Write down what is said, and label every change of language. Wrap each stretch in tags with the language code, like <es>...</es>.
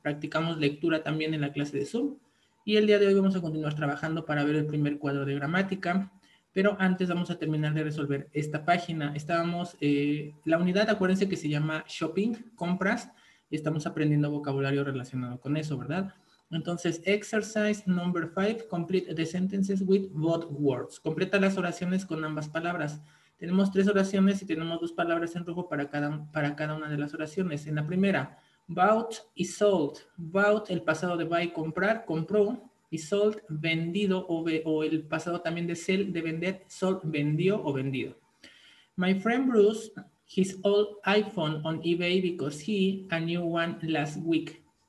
<es>Practicamos lectura también en la clase de Zoom. Y el día de hoy vamos a continuar trabajando para ver el primer cuadro de gramática. Pero antes vamos a terminar de resolver esta página. Estábamos, la unidad, acuérdense que se llama Shopping, compras, y estamos aprendiendo vocabulario relacionado con eso, ¿verdad?</es> <en>Entonces, exercise number 5, complete the sentences with both words.</en> <es>Completa las oraciones con ambas palabras. Tenemos tres oraciones y tenemos dos palabras en rojo para cada una de las oraciones. En la primera, bought y sold. Bought, el pasado de buy, comprar, compró. Y sold, vendido o el pasado también de sell, de vender. Sold, vendió o vendido.</es> <en>My friend Bruce, his old iPhone on eBay because he a new one last week.</en>